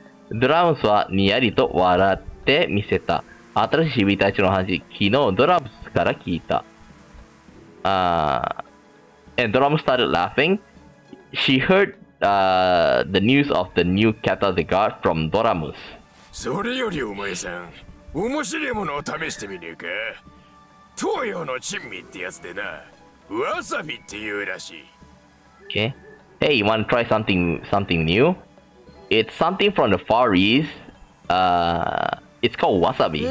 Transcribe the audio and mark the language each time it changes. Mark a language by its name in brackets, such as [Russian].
[Japanese] ドラムスはにやりと笑って見せた。新しい守備隊長の話、昨日ドラムスから聞いた。 [English] And ドラムス started laughing. She heard the news of the new captain of the guard from ドラムス。 [Japanese] それよりお前さん、面白いものを試してみねえか。東洋の珍味ってやつでな。わさびっていうらしい。 [English] Okay. Hey, you want to try something new? It's something from the Far East. It's called wasabi.